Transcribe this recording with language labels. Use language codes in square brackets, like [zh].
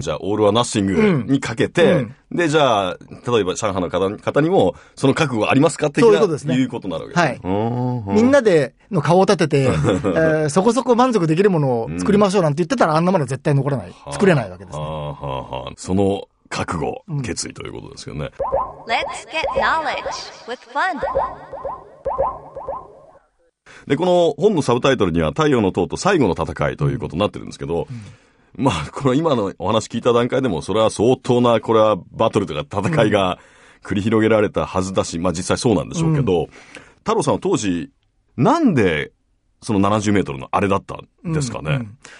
[ja] じゃあ、オールはナッシングにかけて、うんうん、で、じゃあ、例えば上海の方にも、その覚悟はありますかっていうことですね。いうことなるわけですね。はい。みんなでの顔を立てて、そこそこ満足できるものを作りましょうなんて言ってたら、あんなものは絶対残らない。作れないわけですね。その覚悟、決意ということですよね。 [en] Let's get knowledge with fun. [ja] でこの本のサブタイトルには太陽の塔と最後の戦いということになってるんですけど、うん、まあこの今のお話聞いた段階でもそれは相当なこれはバトルとか戦いが繰り広げられたはずだし、うん、まあ実際そうなんでしょうけど、うん、太郎さんは当時なんでその70メートルのあれだったんですかね、うんうん、